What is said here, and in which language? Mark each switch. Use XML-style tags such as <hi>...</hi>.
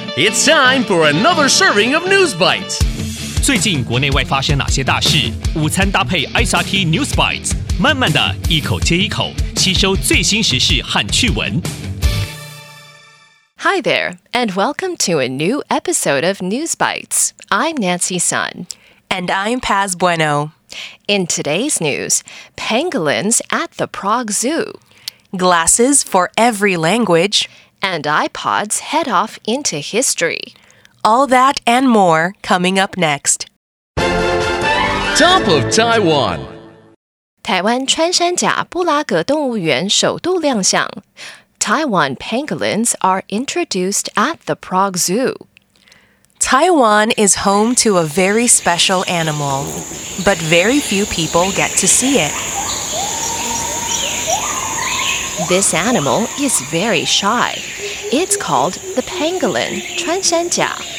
<en>It's time for another serving of News Bites.</en> <zh>最近国内外发生哪些大事？午餐搭配 SRT News Bites， 慢慢的一口接一口，吸收最新时事和趣闻。</zh> <en>Hi there, and welcome to a new episode of News Bites. I'm Nancy Sun. And I'm Paz Bueno. In today's news, pangolins at the Prague Zoo. Glasses for every language. And iPods head off into history. All that and more coming up next. Top of Taiwan.</en> <zh>台湾穿山甲布拉格动物园首度亮相。</zh> <en>Taiwan pangolins are introduced at the Prague Zoo. Taiwan is home to a very special animal, but very few people get to see it. This animal is very shy. It's called the pangolin, 穿山甲.</en>